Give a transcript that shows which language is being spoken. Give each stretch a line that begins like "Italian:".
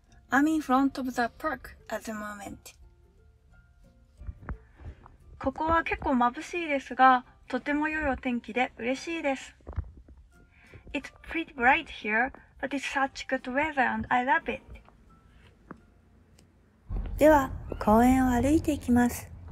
English: I'm in front of the park at the moment。
Japanese: ここは結構眩しいですが、とても良いお天気で嬉しいです。
English: It's pretty bright here, but it's such good weather and I love it。
Japanese: では公園を歩いていきます。